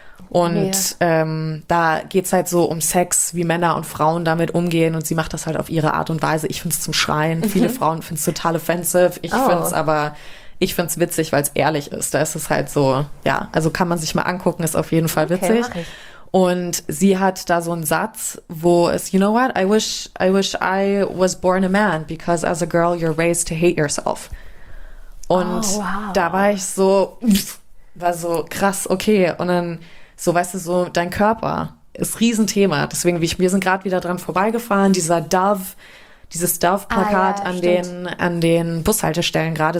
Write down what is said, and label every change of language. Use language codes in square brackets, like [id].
[de] Und da geht es halt so um Sex, wie Männer und Frauen damit umgehen. Und sie macht das halt auf ihre Art und Weise. Ich finde es zum Schreien. Viele Frauen finden es total offensive. Ich finde es witzig, weil es ehrlich ist. Da ist es halt so, ja, also kann man sich mal angucken, ist auf jeden Fall witzig. Okay, mach ich. Und sie hat da so einen Satz, wo es, [en] you know what, I wish I was born a man, because as a girl you're raised to hate yourself. [de] Und da war ich so, war so krass, okay. Und dann, so weißt du, so dein Körper ist Riesenthema. Deswegen, wir sind gerade wieder dran vorbeigefahren. Dieses Dove-Plakat an den Bushaltestellen gerade.